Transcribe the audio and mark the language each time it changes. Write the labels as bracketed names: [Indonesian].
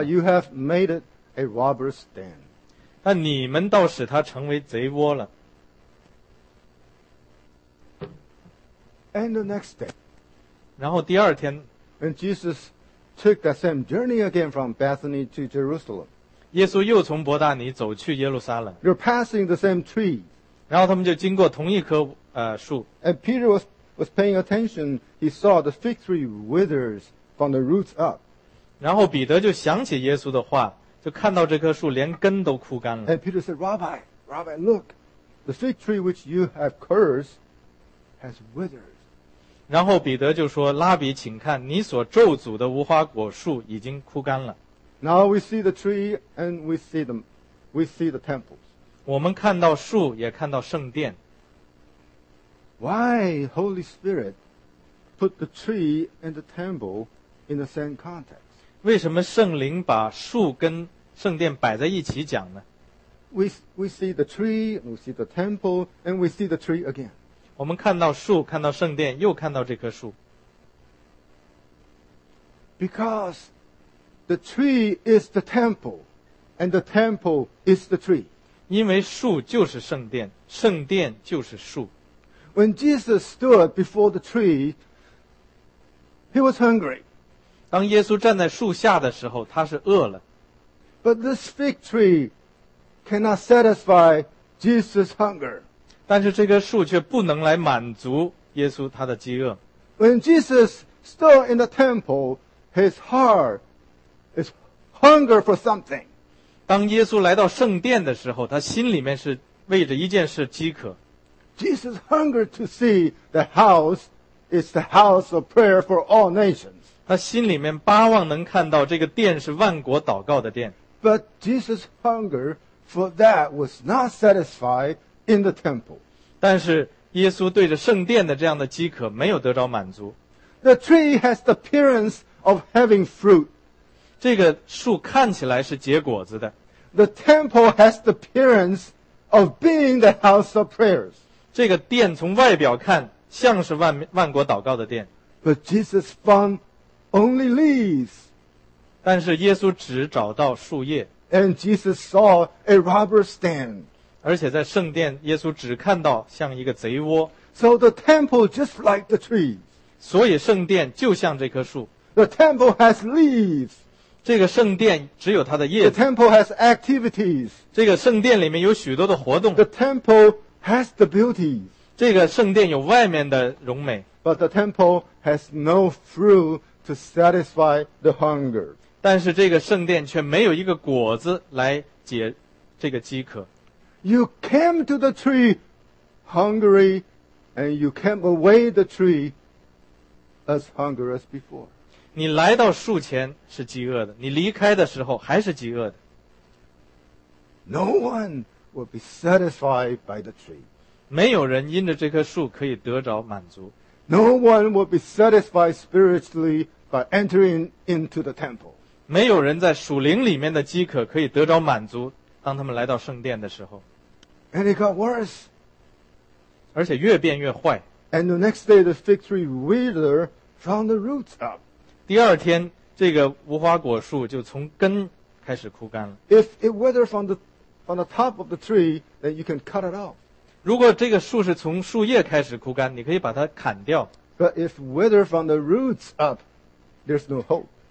[English] But you have made it a robber's den. [Chinese] 但你们倒使它成为贼窝了。 [English] And the next day. [Chinese] 然后第二天。 [English] And Jesus took that same journey again from Bethany to Jerusalem. [Chinese] 耶稣又从伯大尼走去耶路撒冷。 [English] They're passing the same tree. [Chinese] 然后他们就经过同一棵树。 [English] And Peter was paying attention. He saw the fig tree withers from the roots up. [Chinese] 然后彼得就想起耶稣的话，就看到这棵树连根都枯干了。 [English] And Peter said, Rabbi, look, the fig tree which you have cursed has withered. [Chinese] 然后彼得就说，拉比请看，你所咒诅的无花果树已经枯干了。 [English] Now we see the tree and we see the temples. [Chinese] 我们看到树也看到圣殿。 [English] Why Holy Spirit put the tree and the temple in the same context? [Chinese] 为什么圣灵把树跟圣殿摆在一起讲呢？ [English] We see the tree, we see the temple, and we see the tree again. [Chinese] 我们看到树，看到圣殿，又看到这棵树。 [English] Because the tree is the temple, and the temple is the tree. [Chinese] 因为树就是圣殿，圣殿就是树。 [English] When Jesus stood before the tree, he was hungry. [Chinese] 当耶稣站在树下的时候，他是饿了。 [English] But this fig tree cannot satisfy Jesus' hunger. [Chinese] 但是这棵树却不能来满足耶稣他的饥饿。 [English] When Jesus stood in the temple, his heart is hunger for something. [Chinese] 当耶稣来到圣殿的时候，他心里面是为着一件事饥渴。 [English] Jesus hungered to see the house is the house of prayer for all nations. [Chinese] 他心里面巴望能看到这个殿是万国祷告的殿。 [English] But Jesus' hunger for that was not satisfied in the temple. [Chinese] 但是耶稣对着圣殿的这样的饥渴没有得着满足。 [English] The tree has the appearance of having fruit. [Chinese] 这个树看起来是结果子的。 [English] The temple has the appearance of being the house of prayers. [Chinese] 这个殿从外表看像是 万国祷告的殿。 [English] But Jesus found only leaves. [Chinese] 但是耶稣只找到树叶。 [English] And Jesus saw a robber's den. [Chinese] 而且在圣殿耶稣只看到像一个贼窝。 [English] So the temple just like the tree. [Chinese] 所以圣殿就像这棵树。 [English] The temple has leaves. [Chinese] 这个圣殿只有它的叶子。 [English] The temple has activities. [Chinese] 这个圣殿里面有许多的活动。 [English] The temple has the beauty. [Chinese] 这个圣殿有外面的荣美。 [English] But the temple has no fruit to satisfy the hunger. [Chinese] 但是这个圣殿却没有一个果子来解这个饥渴。 [English] You came to the tree hungry, and you came away the tree as hungry as before. [Chinese] 你来到树前是饥饿的，你离开的时候还是饥饿的。 [English] No one will be satisfied by the tree. [Chinese] 没有人因着这棵树可以得着满足。 [English] No one will be satisfied spiritually by entering into the temple. [Chinese] 没有人在属灵里面的饥渴可以得着满足。当他们来到圣殿的时候。 [English] And it got worse. [Chinese] 而且越变越坏。 [English] And the next day the fig tree withered from the roots up. [Chinese] 第二天这个无花果树就从根开始枯干了。 [English] If it withered from the top of the tree, then you can cut it off. [Chinese] 如果这个树是从树叶开始枯干，你可以把它砍掉。 [English] But if withered from the roots up, there's no hope.